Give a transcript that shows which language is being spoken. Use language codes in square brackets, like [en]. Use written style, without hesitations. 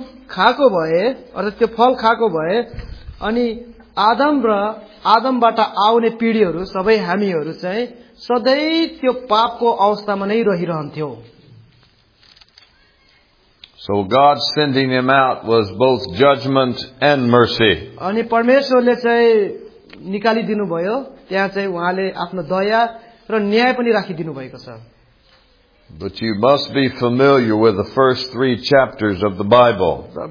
[ne] खाको भए अर्थात् त्यो फल खाको भए अनि आदम र आदमबाट आउने पीढीहरु सबै हामीहरु चाहिँ सधैं त्यो पापको अवस्थामा नै रहिरहन्थ्यौ. [en] So God sending him out was both judgment and mercy. [ne] अनि परमेश्वरले चाहिँ निकालिदिनु भयो त्यहाँ चाहिँ उहाँले आफ्नो दया र न्याय पनि राखिदिनु भएको छ. [en] But you must be familiar with the first three chapters of the Bible.